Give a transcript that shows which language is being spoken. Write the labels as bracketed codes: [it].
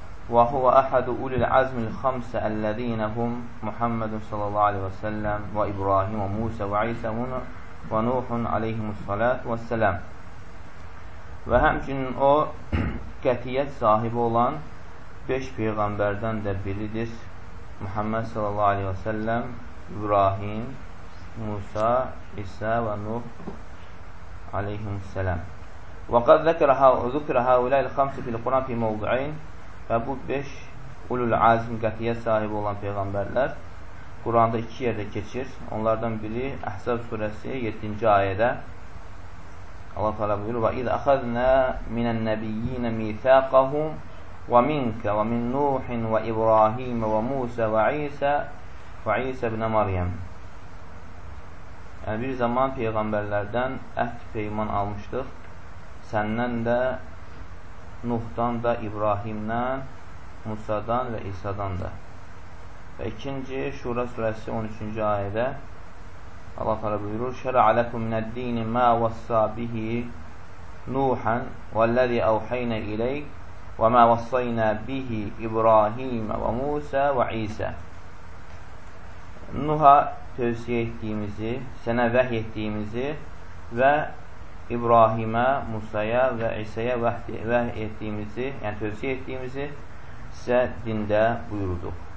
[ar] وهو أحد أولي العزم الخمسة الذين هم محمد صلى الله عليه وسلم وإبراهيم وموسى وعيسى ونوح عليهم الصلاة والسلام. [tr] Ve hemçinin o katiyet sahibi olan 5 peygamberden de biridir. Muhammed sallallahu aleyhi ve sellem, İbrahim, Musa, İsa ve Nuh aleyhisselam. [ar] وقد ذكر ذكر هؤلاء الخمس في القرآن في موضعين. [tr] Ve bu 5 ulul azm katiyet sahibi olan peygamberler Kur'an'da 2 yerde geçir. Onlardan biri Ahzab suresi 7. ayede Allah Teala buyuruyor: [ar] "Ve iz ahadna minen nebiyyin mithaqahum" ومنك ومن نوح وإبراهيم وموسى وعيسى وعيسى ابن مريم. [tr] Yani bir zaman peygamberlerden ehd peyman almıştık. Senden de Nuh'tan da İbrahim'den Musa'dan ve İsa'dan da. Ve ikinci Şura suresi 13. ayede Allah Teala buyurur: [ar] "Şer'a lekum min ed-din ma vassa bihi Nuhan vellezî evhayna ileyk وَمَا وَصَّيْنَا بِهِ إِبْرَاهِيمَ وَمُوسَى وَعِيسَى". [tr] Nuh'a tövsiye ettiğimizi, sana vahy ettiğimizi ve İbrahim'e, Musa'ya ve İsa'ya vahy ettiğimizi, yani tövsiye ettiğimizi size dinde buyurduk.